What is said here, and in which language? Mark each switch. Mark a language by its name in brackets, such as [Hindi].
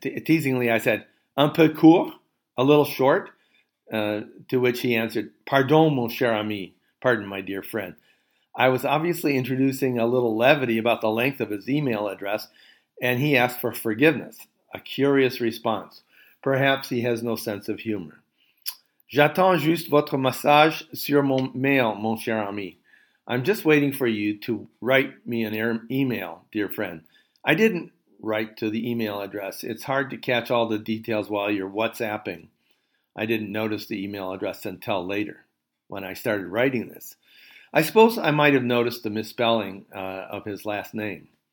[English] Teasingly, I said, [French] un peu court, [English] a little short, to which he answered, [French] pardon, mon cher ami, [English] pardon, my dear friend. I was obviously introducing a little levity about the length of his email address, and he asked for forgiveness, a curious response. Perhaps he has no sense of humor. [French] J'attends juste votre message sur mon mail, mon cher ami. [English] I'm just waiting for you to write me an email, dear friend. I didn't write to the email address. It's hard to catch all the details while you're WhatsApping. I didn't notice the email address until later when I started writing this. I suppose I might have noticed the misspelling of his last name.